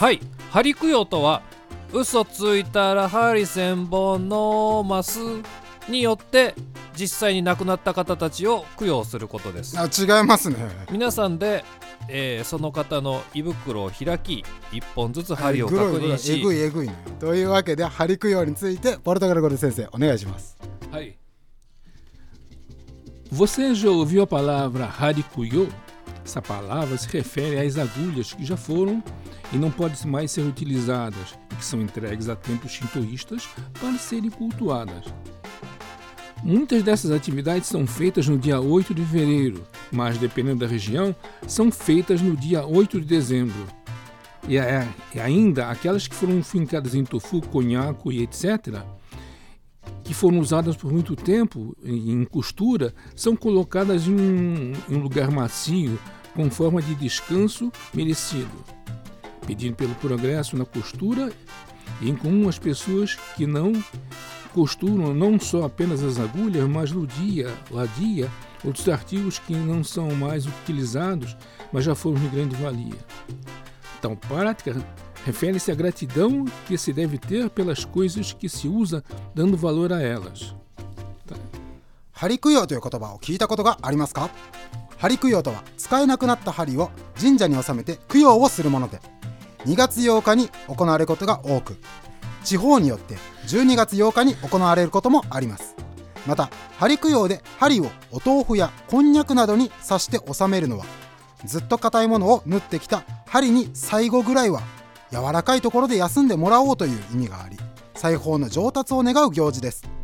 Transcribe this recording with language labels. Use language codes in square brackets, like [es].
[ja] はい、針供養とは嘘ついたら針千本のますによって実際に亡くなった方たちを供養することです。あ、違いますね。皆さんで、その方の胃袋を開き一本ずつ針を確認し、えぐいね。というわけで針供養についてポルトガル語で先生お願いします。はい。 [pt] Você já ouviu a palavra針供養？ Essa palavra se refere às agulhas que já foram e não podem mais ser utilizadas e que são entregues a templos shintoístas para serem cultuadas. Muitas dessas atividades são feitas no dia 8 de fevereiro, mas, dependendo da região, são feitas no dia 8 de dezembro. E ainda aquelas que foram fincadas em tofu, conhaco e etc., que foram usadas por muito tempo em costura, são colocadas em um lugar macio, com forma de descanso merecido, pedindo pelo progresso na costura e em comum as pessoas que não costuram não só apenas as agulhas, mas ladia, outros artigos que não são mais utilizados, mas já foram de grande valia. Então, prática refere-se à gratidão que se deve ter pelas coisas que se usa, dando valor a elas. [ja] Harikuyo という言葉を聞いたことがありますか？針供養とは使えなくなった針を神社に納めて供養をするもので、2月8日に行われることが多く、地方によって12月8日に行われることもあります。また針供養で針をお豆腐やこんにゃくなどに刺して納めるのは、ずっと硬いものを縫ってきた針に最後ぐらいは柔らかいところで休んでもらおうという意味があり、裁縫の上達を願う行事です。